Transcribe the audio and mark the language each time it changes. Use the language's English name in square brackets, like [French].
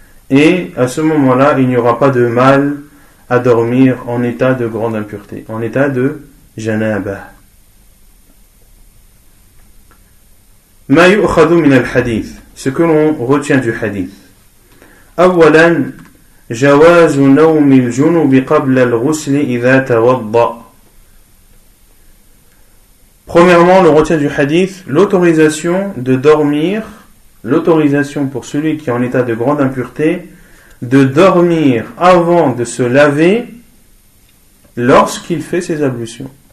[French] Et à ce moment-là, il n'y aura pas de mal à dormir en état de grande impureté, en état de janaba. [Arabic] ما يؤخذ من الحديث [French] ce que l'on retient du hadith. [Arabic] أولا جواز نوم الجنب قبل الغسل إذا توضأ. [French] Premièrement, on retient du hadith l'autorisation de dormir, l'autorisation pour celui qui est en état de grande impureté de dormir avant de se laver lorsqu'il fait ses ablutions.